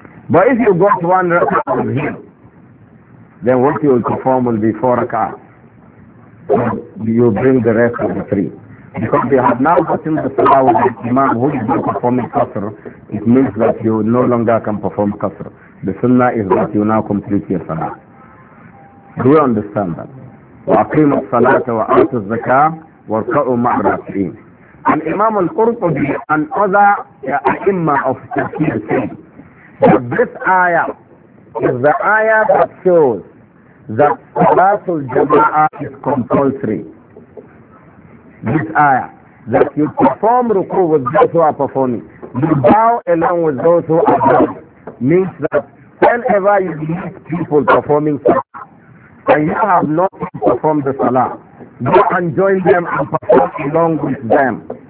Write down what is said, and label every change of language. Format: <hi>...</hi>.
<en>But if you got one rakah with him, then what you will perform will be four rakahs. You bring the rest of the three. Because they have now gotten the Salah with the Imam who is not performing kasr, it means that you no longer can perform kasr. The Sunnah is that you now complete your Salah. Do you understand that?</en> <ar>وأقيم الصلاة وآت الزكاة واركعوا مع الراكعين.</ar> <en>And Imam al-Qurtubi and other Imam of Tafsir said that this ayah is the ayah that shows that Salatul Jama'ah is compulsory. This ayah that you perform ruku with those who are performing, you bow along with those who are bowing, means that whenever you meet people performing Salah, and you have not performed the Salah, go and join them and perform along with them.</en>